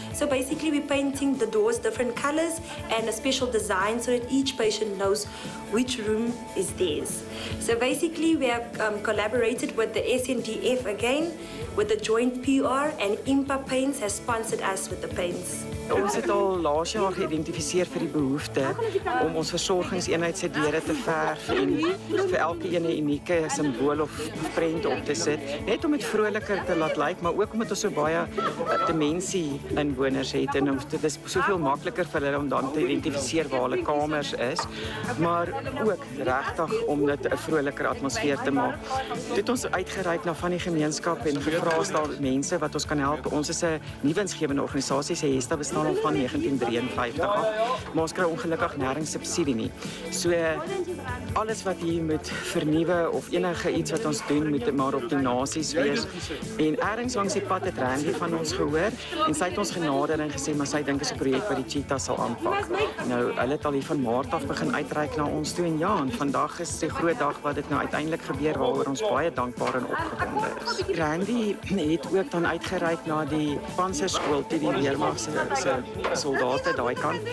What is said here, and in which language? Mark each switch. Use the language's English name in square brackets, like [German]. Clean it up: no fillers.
[English] So basically we're painting the doors different colors and a special design so that each patient knows which room is theirs. So basically we have collaborated with the SNDF again, with the joint PR, and Impa Paints has sponsored us with the paints. [Afrikaans] Ons het al laas jaar geïdentifiseer vir die behoefte om ons versorgingseenheid se deure te verf en vir elke een 'n unieke simbool of prent op te sit, net om dit vroliker te laat lyk, maar ook omdat ons so baie dimensie inwoners het en dit is soveel makliker vir hulle om dan te identifiseer waar hulle kamers is, maar ook regtig om dit 'n vroliker atmosfeer te maak. Dit ons uitgereik na van die gemeenskap en gevra is daar mense wat ons kan help. Ons is 'n nie-winsgewende organisasie, sê Hester, bestaan al van 1953 af, maar ons kry ongelukkig nêrens subsidie nie. So alles wat hier moet vernuwe of enige iets wat ons doen moet maar op donasies wees. En ergens langs die pad het Randy van ons gehoor en sy het ons genader en gesê maar sy dink is 'n projek wat die Cheetahs sal aanpak. Nou, hulle het al hier van Maart af begin uitreik na ons toe, en ja, en vandag is die groot dag wat dit nou uiteindelik gebeur, waaroor ons baie dankbaar en opgewonde is. Randy het ook dan uitgereik na die panserskool toe, die weermag se soldate daai kant.